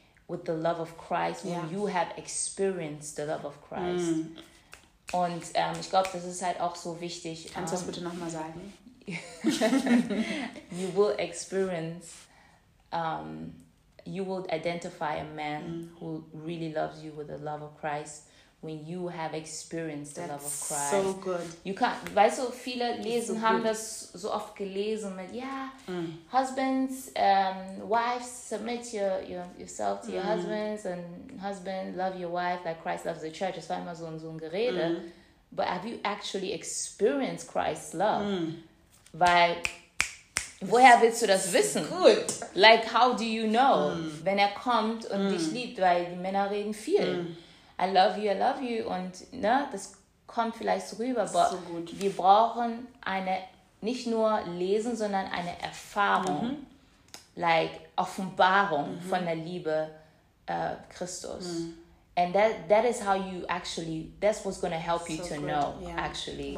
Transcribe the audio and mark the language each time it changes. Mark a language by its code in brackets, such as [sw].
[en] with the love of Christ, when you have experienced the love of Christ. Mm. [de] Und ich glaube, das ist halt auch so wichtig. Kannst du das bitte nochmal sagen? [en] You will experience, you will identify a man who really loves you with the love of Christ when you have experienced the love of Christ. That's so good. You can't, [de] weißt du, viele lesen, so haben good. Das so oft gelesen mit, [en] husbands, wives, submit yourself to your husbands, and husband, love your wife like Christ loves the church. [de] Das war immer so ein Gerede. Mm. [en] But have you actually experienced Christ's love? [de] Mm. Weil, woher willst du das wissen? Gut. [en] Like, how do you know, [de] wenn er kommt und dich liebt? Weil die Männer reden viel. Mm. [en] I love you, [de] und ne, das kommt vielleicht rüber, aber so gut. Wir brauchen eine, nicht nur lesen, sondern eine Erfahrung, like Offenbarung von der Liebe Christus. Mm. [en] And that is how you actually, that's what's going to help you to know, actually.